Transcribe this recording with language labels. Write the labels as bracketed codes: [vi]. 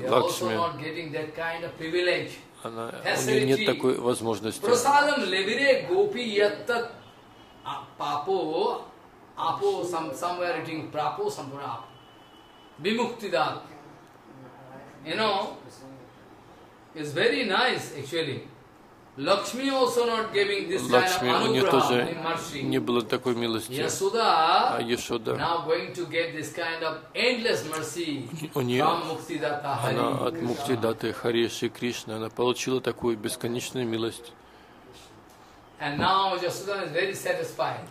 [en] You are also not getting that kind of privilege. [ru] Она, у нее нет такой возможности. [sa] Prasadam levire gopi yattat papo, apo, [en] somewhere writing prapo, somewhere apo. [sa] Vimuktidat. [en] You know, it's very nice actually. Lakshmi also not giving this kind of anugrah. [ru] У нее тоже не было такой милости. А [en] Яшода now going to get this kind of endless mercy from Muktidata Hari. [ru] Она от Муктидаты Хари Шри Кришны она получила такую бесконечную милость. [en] And now Яшода is very satisfied.